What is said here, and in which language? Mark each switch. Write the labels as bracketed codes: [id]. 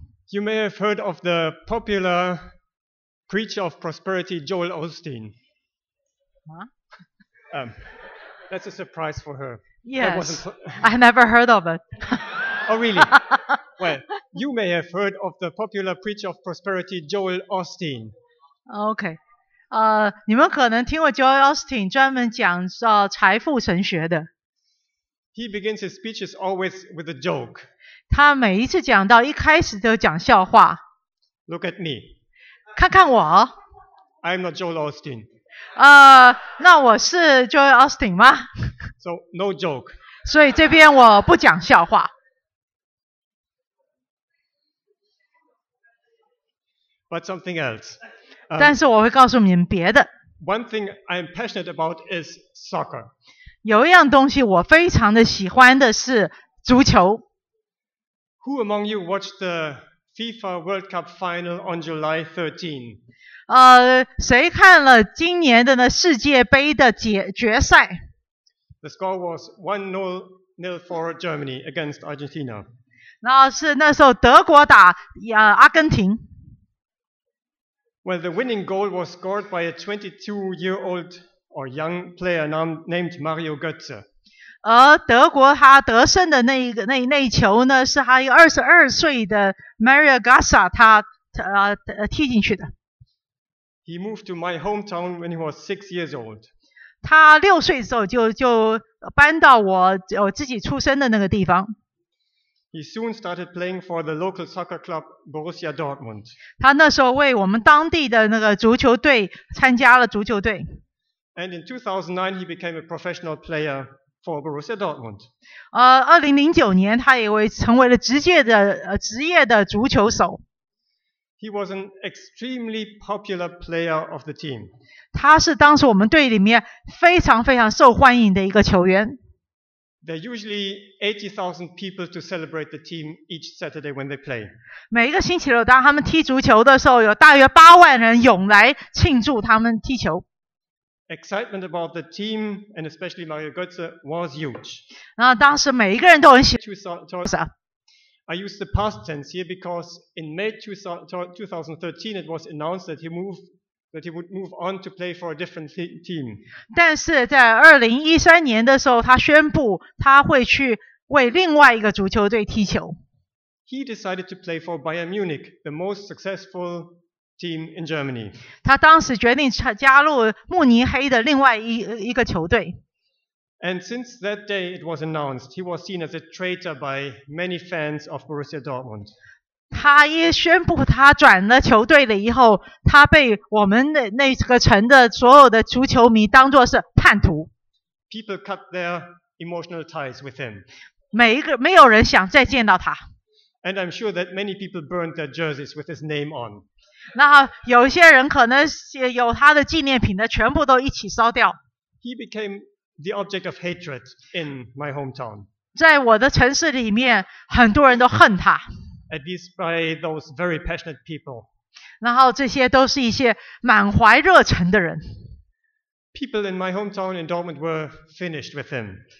[en] You may have heard of the popular preacher of prosperity, Joel Osteen. That's a surprise for her. I never heard of it. Oh, really? Well, you may have heard of the popular preacher of prosperity, Joel Osteen. Okay. [zh] 你们可能听过 Joel Osteen 专门讲财富神学的。 [en] He begins his speeches always with a joke. [zh] 他每一次讲到一开始都讲笑话。 [en] Look at me. [zh] 看看我。 [en] I'm not Joel Osteen. [zh] 那我是 Joel Osteen 吗？ [en] So no joke. [zh] 所以这边我不讲笑话。 [en] But something else. [zh] 但是我会告诉你们别的。 [en] One thing I'm passionate about is soccer. [zh] 有一样东西我非常的喜欢的是足球。 [en] Who among you watched the FIFA World Cup final on July 13? [zh] 谁看了今年的呢世界杯的决赛？ [en] The score was 1-0 for Germany against Argentina. [zh] 那是那时候德国打阿根廷。 [en] Well, the winning goal was scored by a 22-year-old or young player named Mario Götze. [zh] 而德国他得胜的那球呢，是他一个22岁的 Mario Götze 踢进去的。 [en] He moved to my hometown when he was 6 years old. [zh] 他6岁的时候就搬到我自己出生的那个地方。 [en] He soon started playing for the local soccer club Borussia Dortmund. [zh] 他那时候为我们当地的那个足球队参加了足球队。 [en] And in 2009, he became a professional player for Borussia Dortmund. [zh] 2009年，他也成为了职业的足球手。 [en] He was an extremely popular player of the team. [zh] 他是当时我们队里面非常非常受欢迎的一个球员。 [en] There are usually 80,000 people to celebrate the team each Saturday when they play. [zh] 每一个星期六，当他们踢足球的时候，有大约8万人涌来庆祝他们踢球。 [en] Excitement about the team and especially Mario Götze was huge. [zh] 那当时每一个人都很喜欢。 [en] I use the past tense here because in May 2013 it was announced that he would move on to play for a different team. [zh] 但是在2013年的时候，他宣布他会去为另外一个足球队踢球。 [en] He decided to play for Bayern Munich, the most successful team in Germany. [zh] 他当时决定加入慕尼黑的另外一个球队。 [en] And since that day it was announced, he was seen as a traitor by many fans of Borussia Dortmund. [zh] 他一宣布他转了球队了以后，他被我们那个城的所有的足球迷当作是叛徒。 [en] People cut their emotional ties with him. [zh] 没有人想再见到他。 [en] And I'm sure that many people burned their jerseys with his name on. [zh] 那有些人可能有他的纪念品的全部都一起烧掉。 [en] He became the object of hatred in my hometown. [zh] 在我的城市里面，很多人都恨他。 [en] At least by those very passionate people. [zh] 然后这些都是一些满怀热忱的人。 [en] People in my hometown in Dortmund were finished with him.